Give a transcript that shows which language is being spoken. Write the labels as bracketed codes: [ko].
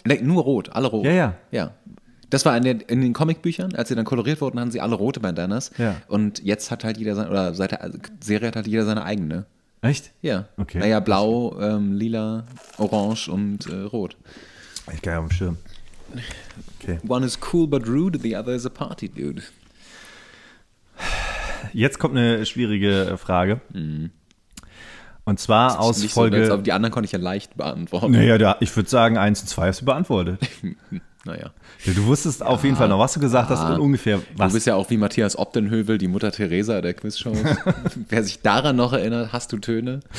[de] Nee, nur rot, alle rot. Ja, ja. Ja. Das war in den Comicbüchern, als sie dann koloriert wurden, hatten sie alle rote Bandanas. Ja. Und jetzt hat halt jeder seit der Serie hat halt jeder seine eigene. Echt? Ja. Okay. Naja, blau, lila, orange und rot. Ich gehe auf den Schirm. Okay. [en] One is cool but rude, the other is a party dude. [de] Jetzt kommt eine schwierige Frage. Mhm. Und zwar aus Folge... So, die anderen konnte ich ja leicht beantworten. Naja, ich würde sagen, 1 und 2 hast du beantwortet. Naja. Ja, du wusstest ja, auf jeden Fall noch, was du gesagt hast und ungefähr was. Du bist ja auch wie Matthias Obdenhövel, die Mutter Teresa der Quizshow. Wer sich daran noch erinnert, hast du Töne?